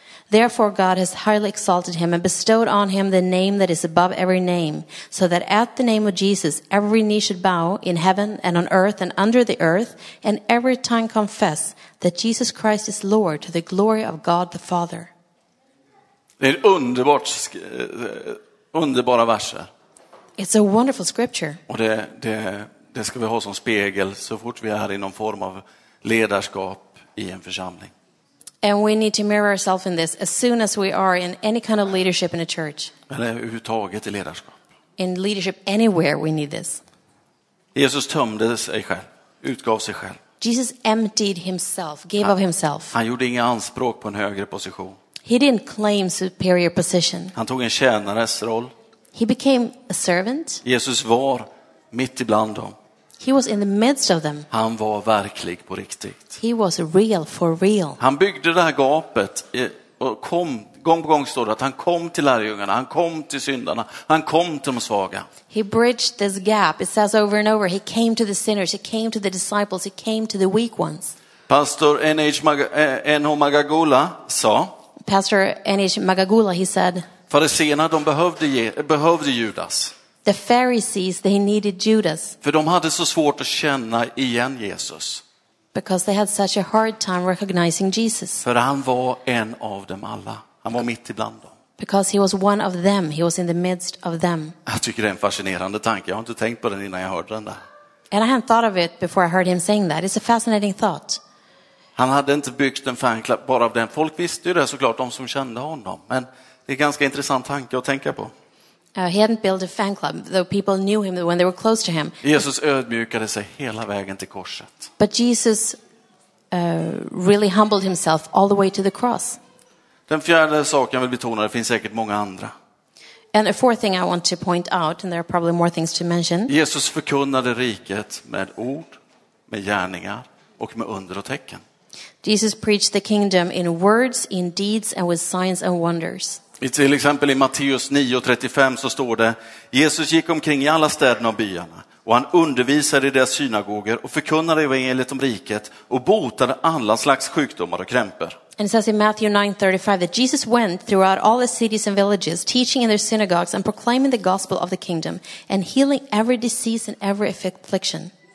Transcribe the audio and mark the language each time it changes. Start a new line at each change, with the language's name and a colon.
English: Therefore God has highly exalted him and bestowed on him the name that is above every name, so that at the name of Jesus every knee should bow in heaven and on earth and under the earth, and every tongue confess that Jesus Christ is Lord to the glory of God the Father.
Swedish: Det är underbart, underbara verser.
English: It's a wonderful scripture.
Swedish: Och det ska vi ha som spegel så fort vi är i någon form av ledarskap i en församling.
English: And we need to mirror ourselves in this as soon as we are in any kind of leadership in a church.
Swedish: Eller överhuvudtaget i ledarskap.
English: In leadership anywhere we need this.
Swedish: Jesus tömde sig själv, utgav sig själv.
English: Jesus emptied himself, gave of himself.
Swedish: Han gjorde inga anspråk på en högre position.
English: He didn't claim superior position.
Swedish: Han tog en tjänares roll.
English: He became a servant.
Swedish: Jesus var mitt ibland dem.
English: He was in the midst of them.
Swedish: Han var verklig på riktigt.
English: He was real for real.
Swedish: Han byggde det här gapet och kom gång på gång står det att han kom till lärjungarna, han kom till syndarna, han kom till de svaga.
English: He bridged this gap. It says over and over, he came to the sinners, he came to the disciples, he came to the weak ones.
Swedish: Pastor N.H. Magagula sa.
English: Pastor N.H. Magagula, he said.
Swedish: Fariséerna, de behövde Judas.
English: The Pharisees, they needed Judas.
Swedish: För de hade så svårt att känna igen Jesus.
English: Because they had such a hard time recognizing Jesus.
Swedish: För han var en av dem alla. Han var mitt ibland dem.
English: Because he was one of them. He was in the midst of them.
Swedish: Jag tycker det är en fascinerande tanke. Jag har inte tänkt på den innan jag hörde den där.
English: And I hadn't thought of it before I heard him saying that. It's a fascinating thought.
Swedish: Han hade inte byggt en fanclub bara av den. Folk visste ju det såklart, de som kände honom. Men det är en ganska intressant tanke att tänka på.
English: He hadn't built a fan club, though people knew him when they were close to him.
Swedish: Jesus ödmjukade sig hela vägen till korset.
English: But Jesus really humbled himself all the way to the cross.
Swedish: Den fjärde saken jag vill betona, det finns säkert många andra.
English: And a fourth thing I want to point out, and there are probably more things to mention.
Swedish: Jesus förkunnade riket med ord, med gärningar och med under och tecken.
English: Jesus preached the kingdom in words, in deeds and with signs and wonders.
Swedish: Till exempel i Matteus 9:35 så står det: Jesus gick omkring i alla städerna och byarna och han undervisade i deras synagoger och förkunnade evangeliet om riket och botade alla slags sjukdomar och krämpor.
English: And it says in Matthew 9:35 that Jesus went throughout all the cities and villages teaching in their synagogues and proclaiming the gospel of the kingdom and healing every disease and every affliction.